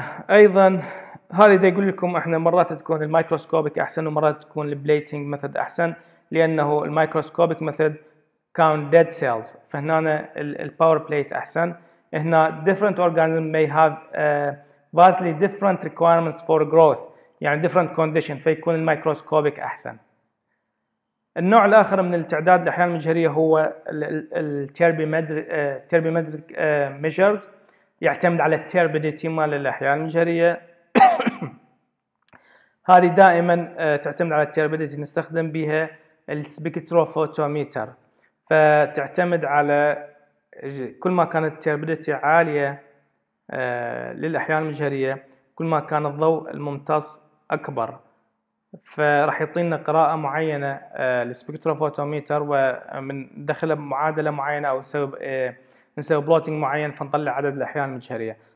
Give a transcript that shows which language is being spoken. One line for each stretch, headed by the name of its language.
Arabic: ايضا هذه دي اقول لكم احنا مرات تكون المايكروسكوبك احسن ومرات تكون البليتنج ميثود احسن، لانه
English: المايكروسكوبك method count dead cells,
Arabic: فهنا الباور بليت احسن.
English: هنا different organisms may have vastly different requirements for growth، يعني different condition،
Arabic: فيكون المايكروسكوبك احسن. النوع الاخر من التعداد الاحياء المجهريه هو التيربيمتريك ميجرز، يعتمد على التيربيديتي مال الاحياء المجهريه. هذه دائما تعتمد على التيربيديتي، نستخدم بها السبكتروفوتوميتر، فتعتمد على كل ما كانت التيربيديتي عالية للأحياء المجهرية كل ما كان الضوء الممتص أكبر، فراح يعطينا قراءة معينة السبكتروفوتوميتر، ومن دخل معادلة معينة أو نسوي بلوتينج معين فنطلع عدد الأحياء المجهرية.